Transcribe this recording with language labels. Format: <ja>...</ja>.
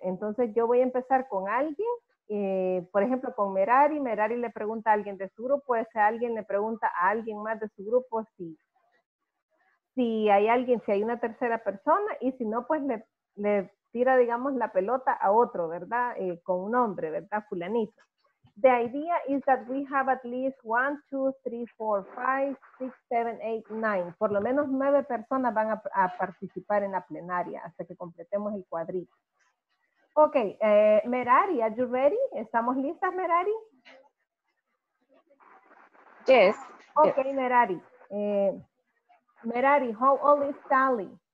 <es>Entonces yo voy a empezar con alguien, por ejemplo, con Merari. Merari le pregunta a alguien de su grupo, ese alguien le pregunta a alguien más de su grupo si hay alguien, si hay una tercera persona, y si no, pues le tira, digamos, la pelota a otro, ¿verdad? Con un nombre, ¿verdad? Fulanito.</es> <en>The idea is that we have at least 1, 2, 3, 4, 5, 6, 7, 8, 9.</en> <es>Por lo menos 9 personas van a participar en la plenaria hasta que completemos el cuadrito.</es> <en>Ok, Merari, are you ready?</en> <es>¿Estamos listas, Merari?</es> <en>Yes. Ok, yes. Merari. Merari, how old is Sally?</en>